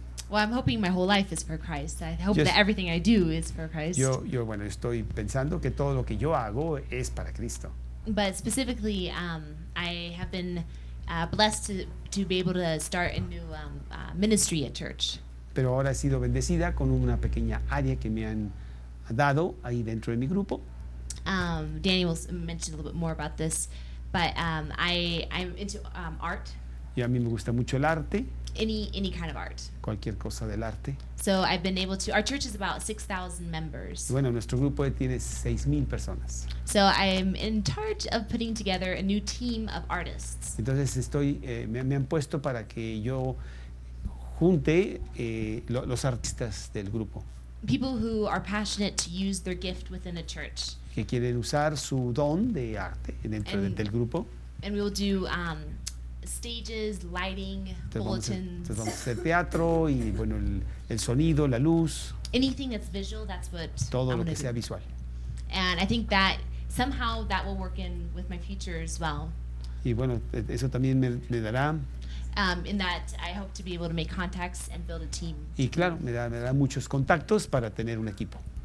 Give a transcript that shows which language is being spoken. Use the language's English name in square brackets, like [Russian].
[English] I'm hoping my whole life is for Christ. I hope that everything I do is for Christ. [Spanish] Yo estoy pensando que todo lo que yo hago es para Cristo. [English] But specifically, I have been blessed to be able to start a new ministry at church. [Spanish] Pero ahora he sido bendecida con una pequeña área que me han dado ahí dentro de mi grupo. [English] Danny will mention a little bit more about this, but I'm into art. [Spanish] Y a mí me gusta mucho el arte. [English] Any kind of art. [Spanish] Cualquier cosa del arte. [English] So I've been able to. Our church is about 6,000 members. [Spanish] Bueno, nuestro grupo tiene 6,000 personas. [English] So I'm in charge of putting together a new team of artists. [Spanish] Entonces estoy me han puesto para que yo junte los artistas del grupo. [English] People who are passionate to use their gift within a church. [Spanish] Que quieren usar su don de arte dentro del grupo. [English] And we'll do stages, lighting, bulletins. [Spanish] Vamos a hacer teatro y bueno el sonido, la luz. [English] Anything that's visual, that's what. [Spanish] Todo lo que sea visual. [English] And I think that somehow that will work in with my future as well. [Spanish] Y bueno, eso también me dará. [English] In that I hope to be able to make contacts and build a team. [Spanish] Y claro, me da muchos contactos para tener un equipo.